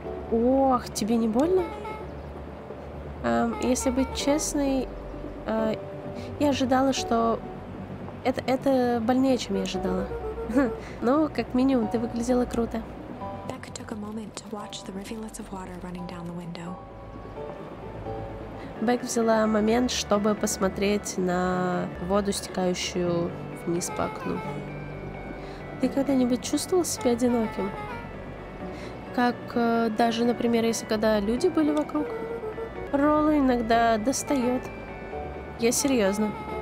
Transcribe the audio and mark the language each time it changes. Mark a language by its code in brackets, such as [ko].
[ru] Ох, тебе не больно? Если быть честной, я ожидала, что... Это больнее, чем я ожидала. Ну, как минимум, ты выглядела круто. [en] Бекка took a moment to watch the rivulets of water running down the window. [ru] Бек взяла момент, чтобы посмотреть на воду, стекающую вниз по окну. Ты когда-нибудь чувствовал себя одиноким? Как даже, например, если когда люди были вокруг? Ролла иногда достает. Я серьезно.